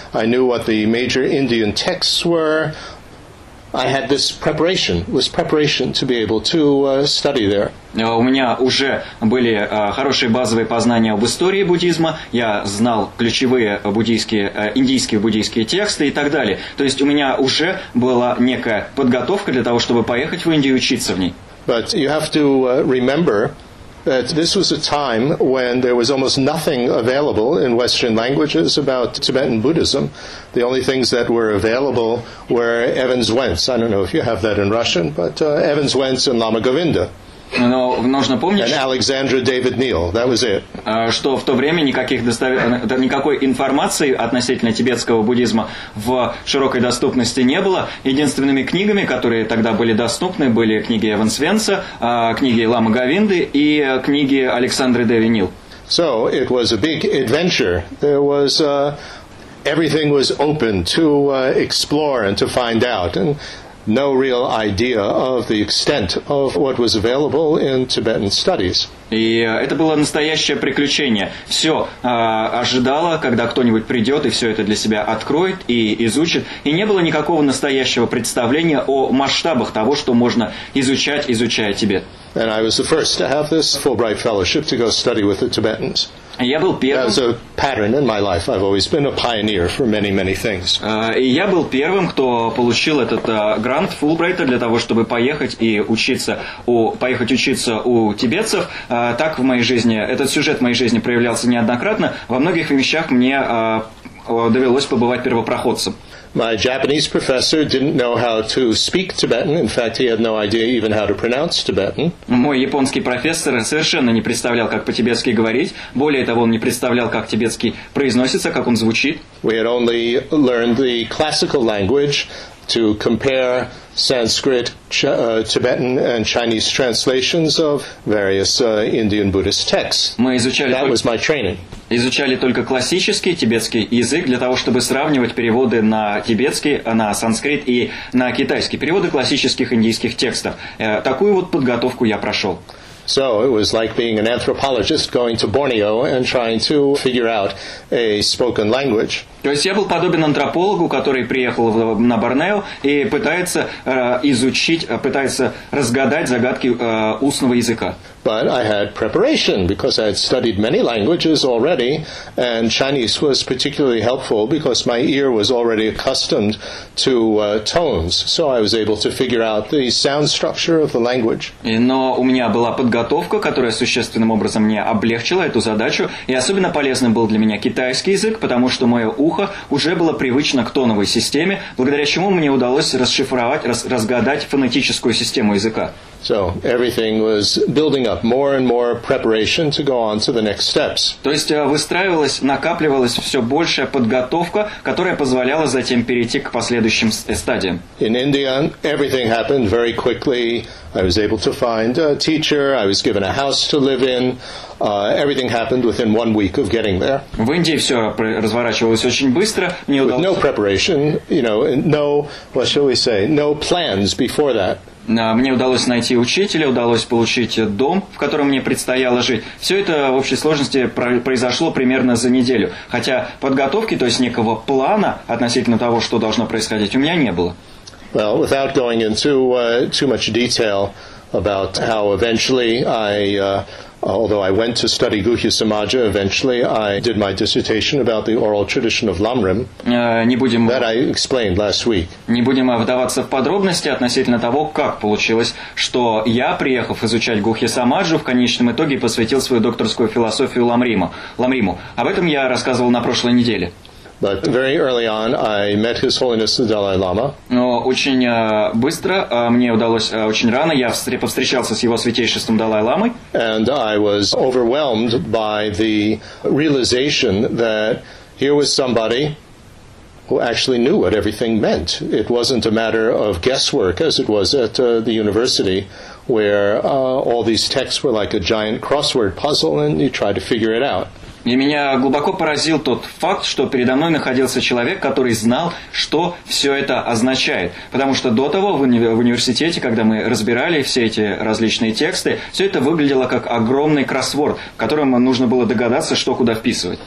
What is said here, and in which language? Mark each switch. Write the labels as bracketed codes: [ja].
[en] I knew what the major Indian texts were. I had this preparation to be able to study there. [ru] У меня уже были хорошие базовые познания об истории буддизма. Я знал ключевые буддийские, индийские буддийские тексты и так далее. То есть у меня уже была некая подготовка для того, чтобы поехать в Индию и учиться в ней. [en] But you have to remember that this was a time when there was almost nothing available in Western languages about Tibetan Buddhism. The only things that were available were Evans Wentz. I don't know if you have that in Russian, but Evans Wentz and Lama Govinda. [ru] Но нужно помнить, [en] and Alexandra David Neal. That was it. [ru] Что в то время никакой информации относительно тибетского буддизма в широкой доступности не было. Единственными книгами, которые тогда были доступны, были книги Эван Свенса, книги Лама Говинды и книги Александры Дэви Нил. [en] So it was a big adventure. There was everything was open to explore and to find out. And no real idea of the extent of what was available in Tibetan studies. [ru] И это было настоящее приключение. Все ожидало, когда кто-нибудь придет и все это для себя откроет и изучит. И не было никакого настоящего представления о масштабах того, что можно изучать, изучая Тибет. [en] And I was the first to have this Fulbright fellowship to go study with the Tibetans. [ru] Я был первым. [en] That's a pattern in my life. I've always been a pioneer for many, many things. [ru] И я был первым, кто получил этот грант Фулбрайта для того, чтобы поехать учиться у тибетцев. Так в моей жизни, этот сюжет в моей жизни проявлялся неоднократно. Во многих вещах мне довелось побывать первопроходцем. [en] My Japanese professor didn't know how to speak Tibetan. In fact, he had no idea even how to pronounce Tibetan. [ru] Мой японский профессор совершенно не представлял, как по-тибетски говорить. Более того, он не представлял, как тибетский произносится, как он звучит. [en] We had only learned the classical language to compare Sanskrit, Tibetan, and Chinese translations of various Indian Buddhist texts. That was my training. [ru] Изучали только классический тибетский язык для того, чтобы сравнивать переводы на тибетский, на санскрит и на китайский. Переводы классических индийских текстов. Такую вот подготовку я прошел. [en] So it was like being an anthropologist going to Borneo and trying to figure out a spoken language. [ru] То есть я был подобен антропологу, который приехал на Борнео и пытается изучить, пытается разгадать загадки устного языка. [en] But I had preparation because I had studied many languages already, and Chinese was particularly helpful because my ear was already accustomed to tones, so I was able to figure out the sound structure of the language. [ru] Но у меня была подготовка, которая существенным образом мне облегчила эту задачу, и особенно полезным был для меня китайский язык, потому что мое ухо уже было привычно к тоновой системе, благодаря чему мне удалось расшифровать, разгадать фонетическую систему языка. [en] So everything was building up, more and more preparation to go on to the next steps. [ru] То есть выстраивалась, накапливалась все большая подготовка, которая позволяла затем перейти к последующим стадиям. [en] In India, everything happened very quickly. I was able to find a teacher, I was given a house to live in. Everything happened within 1 week of getting there. [ru] В Индии все разворачивалось очень быстро. Не удалось... [en] With no preparation, you know, no, what shall we say, no plans before that. [ru] Мне удалось найти учителя, удалось получить дом, в котором мне предстояло жить. Все это в общей сложности произошло примерно за неделю. Хотя подготовки, то есть некого плана относительно того, что должно происходить, у меня не было. [en] Well, without going into too much detail about how eventually I, although I went to study Guhya Samaja, eventually I did my dissertation about the oral tradition of Lamrim, that I explained last week. [ru] Не будем вдаваться в подробности относительно того, как получилось, что я, приехав изучать Гухи Самаджу, в конечном итоге посвятил свою докторскую философию Ламриму. Об этом я рассказывал на прошлой неделе. [en] But very early on, I met His Holiness the Dalai Lama. [ru] Но очень быстро мне удалось, очень рано я повстречался с Его Святейшеством Далай Ламой. [en] And I was overwhelmed by the realization that here was somebody who actually knew what everything meant. It wasn't a matter of guesswork, as it was at the university, where all these texts were like a giant crossword puzzle, and you try to figure it out. [ru] И меня глубоко поразил тот факт, что передо мной находился человек, который знал, что все это означает. Потому что до того в университете, когда мы разбирали все эти различные тексты, все это выглядело как огромный кроссворд, в котором нужно было догадаться, что куда вписывать.